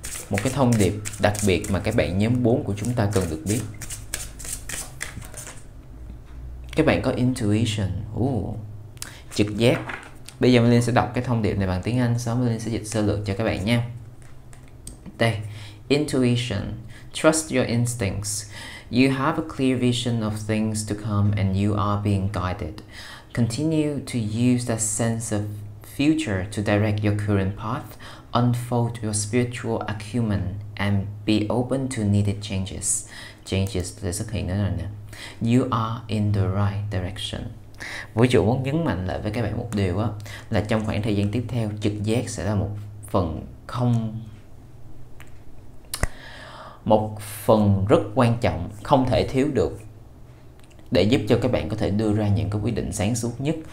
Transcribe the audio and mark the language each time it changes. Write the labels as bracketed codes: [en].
[vi] Một cái thông điệp đặc biệt mà các bạn nhóm 4 của chúng ta cần được biết. Các bạn có intuition, trực giác. Bây giờ mình sẽ đọc cái thông điệp này bằng tiếng Anh, sau đó mình sẽ dịch sơ lược cho các bạn nha. [en] Đây, intuition, trust your instincts. You have a clear vision of things to come and you are being guided. Continue to use that sense of future to direct your current path, unfold your spiritual acumen and be open to needed changes. [vi] Changes sẽ xuất hiện nữa rồi nè. [en] You are in the right direction. [vi] Vũ trụ muốn nhấn mạnh lại với các bạn một điều á, là trong khoảng thời gian tiếp theo, trực giác sẽ là một phần rất quan trọng, không thể thiếu được để giúp cho các bạn có thể đưa ra những cái quyết định sáng suốt nhất.